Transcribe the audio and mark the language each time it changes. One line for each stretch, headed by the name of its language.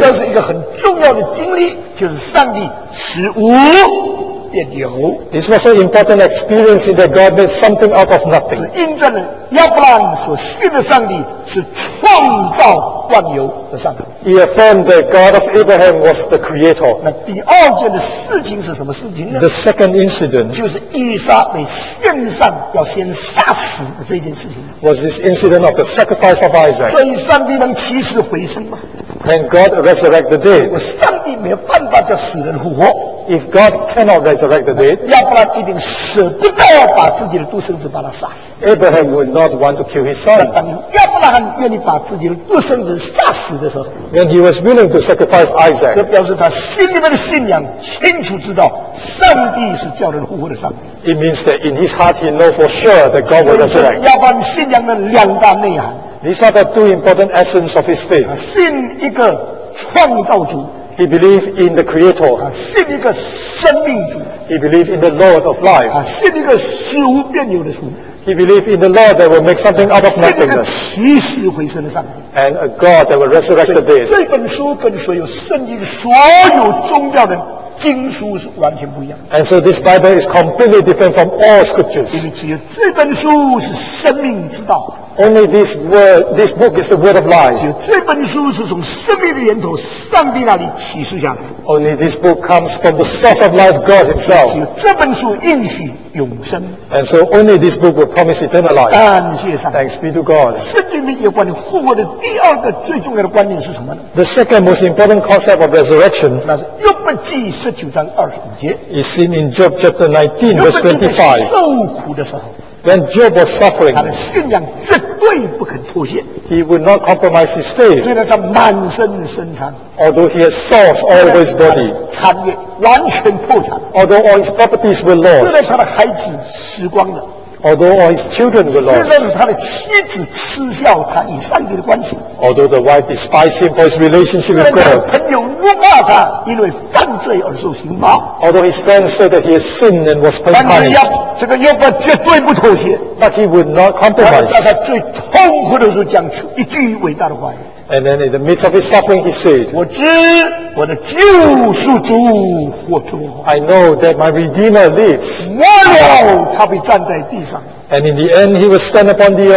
Chinese: 这是一个很重要的经历，就是上帝使无变有。
English: This was an important experience in that God made something out of nothing.
Chinese: 是印证了亚伯兰所信的上帝是创造万有的上帝。
English: He affirmed that God of Abraham was the creator.
Chinese: 那第二件的事情是什么事情呢？
English: The second incident.
Chinese: 就是以撒被献上要先杀死的这件事情。
English: Was this incident of the sacrifice of Isaac.
Chinese: 所以上帝能起死回生吗？
English: Can God resurrect the dead?
Chinese: 上帝没有办法叫死人复活。
English: If God cannot resurrect the dead,
Chinese: 亚伯拉一定舍不得把自己的独生子把他杀死。
English: Abraham would not want to kill his son.
Chinese: 当亚伯拉罕愿意把自己的独生子杀死的时候，
English: when he was willing to sacrifice Isaac,
Chinese: 这表示他心里面的信仰清楚知道上帝是叫人复活的上帝。
English: It means that in his heart he knows for sure that God will resurrect.
Chinese: 所以亚伯拉罕信仰的两大内涵。
English: These are the two important essence of his faith.
Chinese: 信一个创造主。
English: He believed in the Creator.
Chinese: 他信一个生命主。
English: He believed in the Lord of life.
Chinese: 他信一个死无变有的主。
English: He believed in the Lord that will make something out of nothingness.
Chinese: 信一个起死回生的上帝。
English: And a God that will resurrect the dead.
Chinese: 这本书跟所有圣经所有宗教的经书是完全不一样的。
English: And so this Bible is completely different from all scriptures.
Chinese: 因为只有这本书是生命之道。
English: Only this word, this book is the word of life.
Chinese: 只有这本书是从生命的源头，上帝那里启示下来。
English: Only this book comes from the source of life, God Himself.
Chinese: 只有这本书应许永生。
English: And so only this book will promise eternal life.
Chinese: 感谢上帝。
English: Thanks be to God.
Chinese: 圣经里面有关于复活的第二个最重要的观念是什么呢？
English: The second most important concept of resurrection.
Chinese: 那是约伯记十九章二十五节。
English: Is seen in Job chapter 19, verse 25.
Chinese: 约伯在受苦的时候。
English: When Job was suffering,
Chinese: 他的信仰绝对不肯妥协。
English: He would not compromise his faith.
Chinese: 虽然他满身伤残。
English: Although he had sores all over his body.
Chinese: 产业完全破产。
English: Although all his properties were lost.
Chinese: 虽然他的孩子死光了。
English: Although all his children were lost.
Chinese: 虽然他的妻子嗤笑他与上帝的关系。
English: Although the wife despised him for his relationship with God.
Chinese: 虽然他的朋友辱骂他因为犯罪而受刑罚。
English: Although his friends said that he had sinned and was punished.
Chinese: 但是这个约伯绝对不妥协。
English: But he would not compromise.
Chinese: 他在最痛苦的时候讲出一句伟大的话语。
English: And then in the midst of his suffering, he said,
Chinese: 我知我的救赎主活着。
English: I know that my Redeemer lives.
Chinese: 末了他必站在地上。
English: And in the end, he will stand upon the earth.